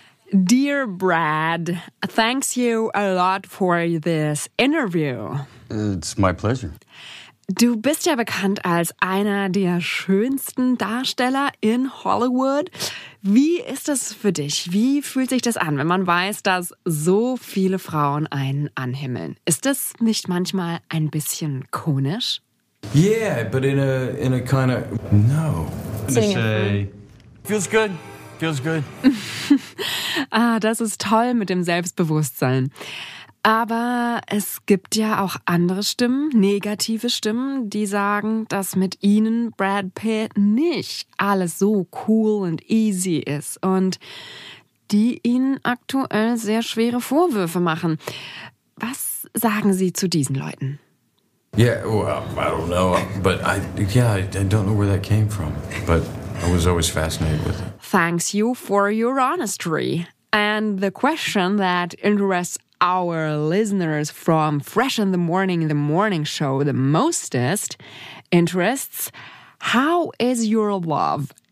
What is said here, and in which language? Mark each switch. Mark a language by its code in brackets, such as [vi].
[en] Dear Brad, thanks you a lot for this interview. It's my pleasure. [de] Du bist ja bekannt als einer der schönsten Darsteller in Hollywood. Wie ist das für dich? Wie fühlt sich das an, wenn man weiß, dass so viele Frauen einen anhimmeln? Ist das nicht manchmal ein bisschen komisch? [en] Yeah, but in a kind of... No. Feels good. [de] Ah, das ist toll mit dem Selbstbewusstsein. Aber es gibt ja auch andere Stimmen, negative Stimmen, die sagen, dass mit ihnen, Brad Pitt, nicht alles so cool und easy ist und die ihnen aktuell sehr schwere Vorwürfe machen. Was sagen Sie zu diesen Leuten? [en] Yeah, well, I don't know, but I don't know where that came from, but I was always fascinated with it. Thanks you for your honesty. And the question that interests our listeners from Fresh in the morning show, the mostest interests, how is your love?